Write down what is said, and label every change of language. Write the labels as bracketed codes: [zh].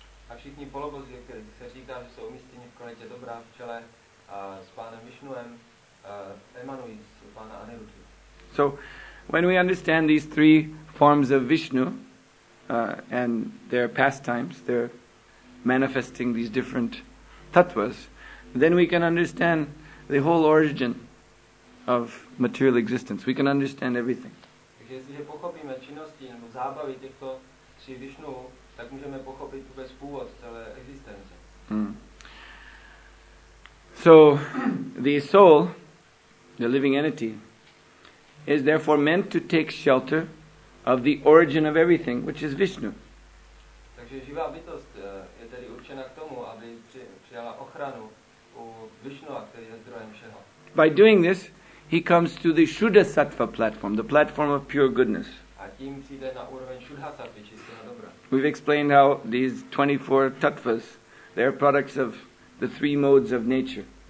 [cs] A všichni polobozy, kteří se říká, že jsou umístěni v kvalitě dobra v čele s pánem Vishnuem, emanují z pána Aniruddhy. [en] So, when we understand these three forms of Vishnu, and their pastimes, they're manifesting these different tattvas, then we can understand the whole origin of material existence. We can understand everything. [cs] Takže jestliže pochopíme činnosti nebo zábavy těchto tří Vishnu, tak můžeme pochopit vůbec původ celé existence. [en] So, the soul the living entity, is therefore meant to take shelter of the origin of everything, which is Vishnu. [cs] Takže živá bytost je tedy určena k tomu, aby přijala ochranu u Vishnu, který je zdrojem všeho. [en] By doing this, he comes to the Shuddha Sattva platform, the platform of pure goodness. [cs] A tím přijde na úroveň Shuddha Sattva, čistého dobra. [en] We've explained how these 24 tattvas, they are products of the three modes of nature.